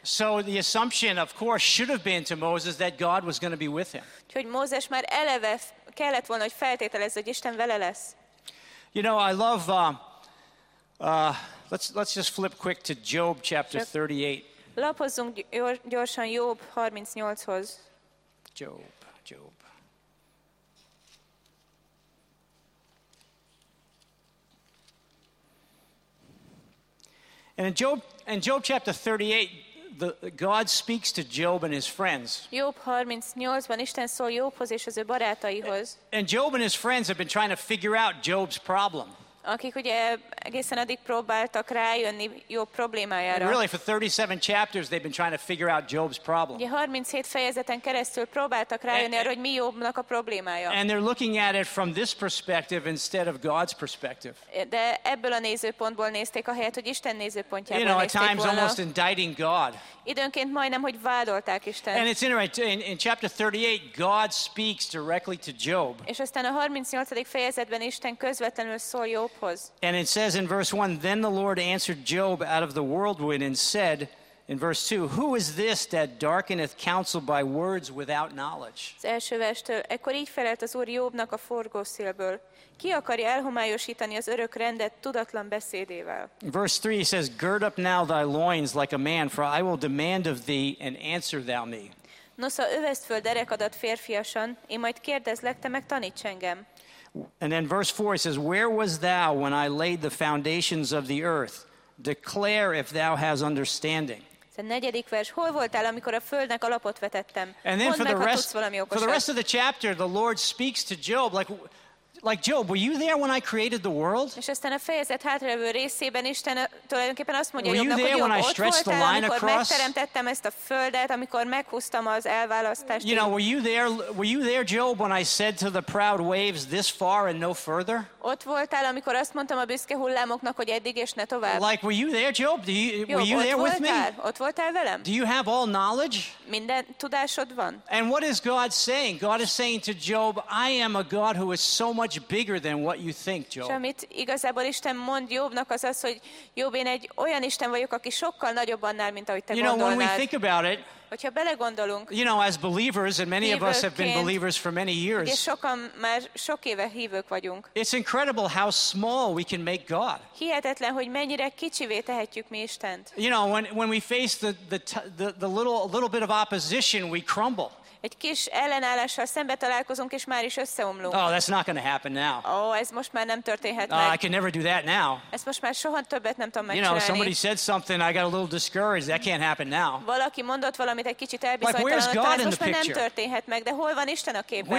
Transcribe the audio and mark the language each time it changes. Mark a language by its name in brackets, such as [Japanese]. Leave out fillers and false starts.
[English] So the assumption, of course, should have been to Moses that God was going to be with him. [Hungarian] Hogy Mózes már eleve kellett volna, hogy feltételezze, hogy Isten vele lesz. [English] You know, I love, let's just flip quick to Job chapter 38. [Hungarian] Lapozzunk gyorsan Job 38-hoz. [English] Job. And in Job chapter 38, God speaks to Job and his friends. [Hungarian] Job 38-ban Isten szól Jobhoz és az ő barátaihoz. [English] And Job and his friends have been trying to figure out Job's problem. [Hungarian] Akik ugye egészen addig próbáltak rájönni Job problémájára. [English] And really, for 37 chapters, they've been trying to figure out Job's problem. [Hungarian] 37 fejezeten keresztül próbáltak rájönni arra, hogy mi Jobnak a problémája. [English] And they're looking at it from this perspective instead of God's perspective. [Hungarian] De ebből a nézőpontból nézték, ahelyett, hogy Isten nézőpontjából nézték volna. [English] At times almost indicting God. [Hungarian] Időnként majdnem, hogy vádolták Istent. [English] And it's interesting, in chapter 38, God speaks directly to Job. [Hungarian] És aztán a 38. fejezetben Isten közvetlenül szól Jobhoz. [English] And it says in verse 1, then the Lord answered Job out of the whirlwind and said, in verse 2, who is this that darkeneth counsel by words without knowledge? [Hungarian] Az első verstől, ekkor így felelt az Úr Jobnak a forgószélből. Ki akarja elhomályosítani az örök rendet tudatlan beszédével? [English] Verse 3 says, gird up now thy loins like a man, for I will demand of thee, and answer thou me. [Hungarian] Nosza, övezd föl derekadat férfiasan, én majd kérdezlek, te meg taníts engem. [English] And then verse 4 says, where was thou when I laid the foundations of the earth? Declare if thou hast understanding. [Hungarian] A negyedik vers, hol voltál, amikor a földnek alapot vetettem? [English] And then [Hungarian] mondd meg, ha tudsz valami okosat. [English] For the rest of the chapter, the Lord speaks to Job like Job, were you there when I created the world? [Hungarian] És aztán a fejezet hátralévő részében Isten tulajdonképpen azt mondja, Jobnak, hogy [English] when I stretched [Hungarian] voltál, [English] the line [Hungarian] amikor [English] across? [Hungarian] Megteremtettem ezt a földet, amikor meghúztam az elválasztást. [English] You know, were you there, Job, when I said to the proud waves, this far and no further? [Hungarian] Ott voltál, amikor azt mondtam a büszke hullámoknak, hogy eddig és ne tovább. [English] Like, were you there, Job? Were you there with me? [Hungarian] Ott voltál velem? [English] Do you have all knowledge? [Hungarian] Minden tudásod van. [English] And what is God saying? God is saying to Job, I am a God who is so much bigger than what you think, Job. [Hungarian] Amit igazából Isten mond Jobnak, az, hogy Job, én egy olyan Isten vagyok, aki sokkal nagyobb annál, mint ahogy te gondolnád. [English] You know, when we think about it, [Hungarian] hogyha belegondolunk, [English] you know, as believers, and many of us have been believers for many years, [Hungarian] és sokan már sok éve hívők vagyunk, [English] it's incredible how small we can make God. [Hungarian] Hihetetlen, hogy mennyire kicsivé tehetjük mi Istent. [English] You know, when we face the little bit of opposition, we crumble. [Hungarian] Egy kis ellenállással szembe találkozunk, és már is összeomlunk. [English] Oh, that's not going to happen now. [Hungarian] Oh, ez most már nem történhet meg. [English] I can never do that now. [Hungarian] Ezt most már soha többet nem tudom megcsinálni. [English] You know, somebody said something, I got a little discouraged, that can't happen now. [Hungarian] Valaki mondott valamit, egy kicsit elbizonytalanodtam, [English] like, [Hungarian] ez most [English] in the [Hungarian] már nem történhet meg, de hol van Isten a képben?